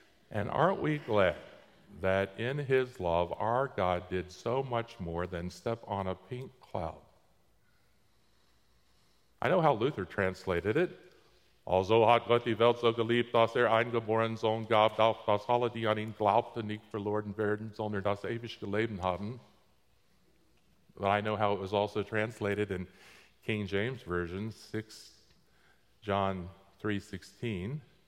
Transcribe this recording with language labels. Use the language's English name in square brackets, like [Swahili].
[English] And aren't we glad that in his love, our God did so much more than step on a pink cloud. I know how Luther translated it. [German] Also hat Gott die Welt so geliebt, dass eingeboren Sohn gab, dass alle, die an ihn glaubten, nicht verloren werden, sondern das ewige Leben haben. [English] But I know how it was also translated in King James Version, 6 John 3:16.